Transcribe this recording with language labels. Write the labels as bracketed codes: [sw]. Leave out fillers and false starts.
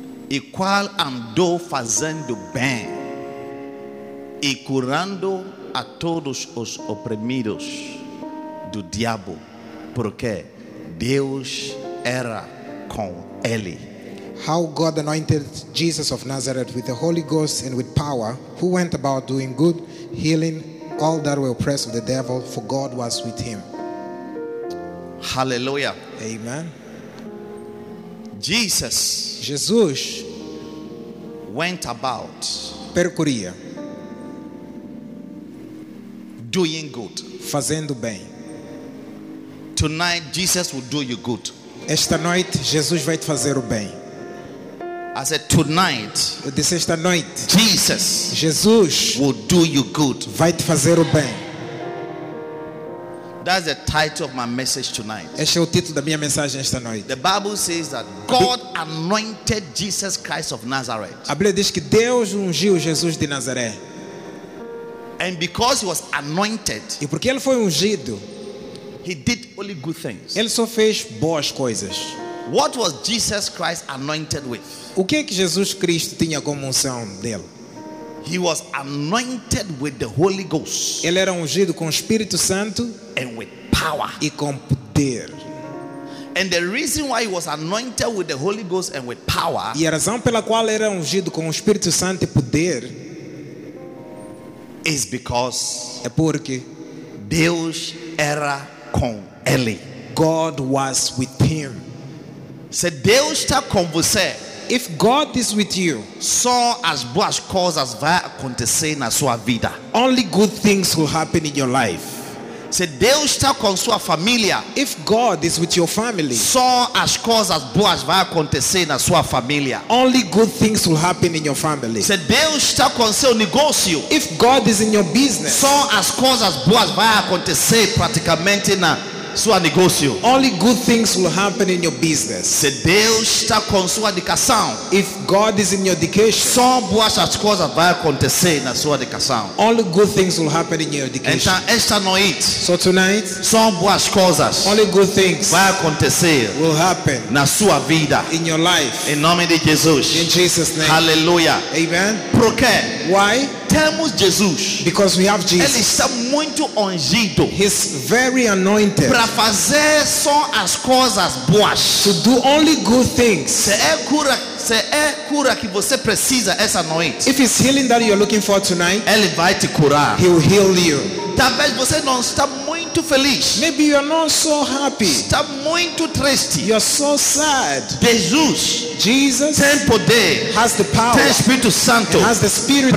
[pt] E qual andou fazendo bem e curando a todos os oprimidos do diabo, porque Deus era com ele. [en] How God anointed Jesus of Nazareth with the Holy Ghost and with power, who went about doing good, healing all that were oppressed of the devil, for God was with him. Hallelujah. Amen. Jesus went about [pt] percorria [en] doing good, [pt] fazendo bem. [en] Tonight Jesus will do you good. [pt] Esta noite Jesus vai te fazer o bem. [en] I said tonight. [pt] Eu disse esta noite. [en] Jesus will do you good. [pt] Vai te fazer o bem. [en] That's the title of my message tonight. [pt] Este é o título da minha mensagem esta noite. [en] The Bible says that God anointed Jesus Christ of Nazareth. [pt] A Bíblia diz que Deus ungiu Jesus de Nazaré. [en] And because he was anointed, [pt] e porque ele foi ungido, [en] he did only good things. [pt] Ele só fez boas coisas. [en] What was Jesus Christ anointed with? [pt] O que é que Jesus Cristo tinha como unção dele? [en] He was anointed with the Holy Ghost. [pt] Ele era ungido com o Espírito Santo [en] and with power. [pt] E com poder. [en] And the reason why he was anointed with the Holy Ghost and with power. [pt] E a razão pela qual ele era ungido com o Espírito Santo e poder. [en] Is because [pt] é porque Deus era com ele. [en] God was with him. [pt] Se Deus está com você, [en] if God is with you, [pt] só as boas coisas vai acontecer na sua vida. [en] Only good things will happen in your life. [pt] Se Deus está com sua família, [en] if God is with your family, [pt] só as coisas boas vai acontecer na sua família. [en] Only good things will happen in your family. [pt] Se Deus está com seu negócio, [en] if God is in your business, [pt] só as coisas boas vai acontecer praticamente na sua negócio. [en] Only good things will happen in your business. [pt] Se Deus está com sua educação, [en] if God is in your education, [pt] só boas as coisas vai acontecer na sua educação. [en] Only good things will happen in your education. [pt] Esta noite, [en] so tonight, [pt] só boas coisas, [en] only good things [pt] vai acontecer, [en] will happen [pt] na sua vida, [en] in your life, [pt] em nome de Jesus, [en] in Jesus' name. Hallelujah. Amen. [pt] Por quê? [en] Why? [pt] Temos Jesus. [en] Because we have Jesus. [pt] Ele está muito ungido. [en] He's very anointed. [pt] Para fazer só as coisas boas. [en] To do only good things. [pt] Se é cura que você precisa essa noite. [en] If it's healing that you're looking for tonight. [pt] Ele vai te curar. [en] He will heal you. [pt] Talvez você não está muito feliz. [en] Maybe you are not so happy. [pt] Está muito triste. [en] You are so sad. Jesus [pt] tem poder. [en] Has the power. [pt] Tem Espírito Santo. [en] Has the spirit